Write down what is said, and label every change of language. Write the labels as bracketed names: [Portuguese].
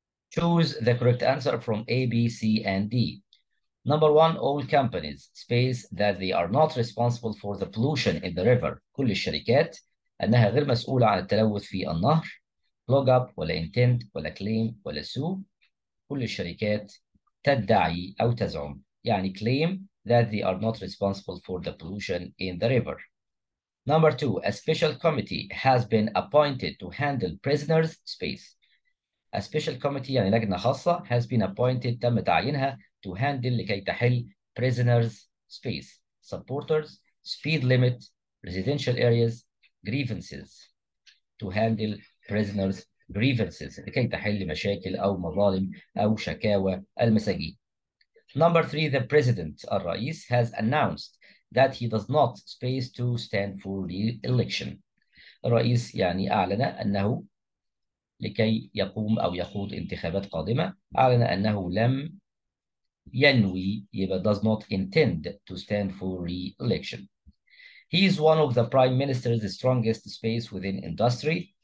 [English] Choose the correct answer from A, B, C, and D. Number one, all companies space that they are not responsible for the pollution in the river. [Arabic] كل الشركات أنها غير مسؤولة عن التلوث في النهر. Plug up ولا intend ولا claim ولا sue. كل الشركات تدعي أو تزعم. يعني [English] claim that they are not responsible for the pollution in the river. Number two, a special committee has been appointed to handle prisoners space. A special committee [Arabic] يعني لجنة خاصة [English] has been appointed [Arabic] تم تعيينها [English] to handle [Arabic] لكي تحل prisoners space, supporters, speed limit, residential areas, grievances, to handle prisoners grievances لكي تحل مشاكل أو مظالم أو شكاوى المساجين. [English] Number three, the president, الرئيس, has announced that he does not space to stand for re-election. [Arabic] الرئيس يعني أعلن أنه لكي يقوم أو يخوض انتخابات قادمة أعلن أنه لم ينوي يبقى [English] does not intend to stand for re-election. He is one of the prime minister's strongest space within industry.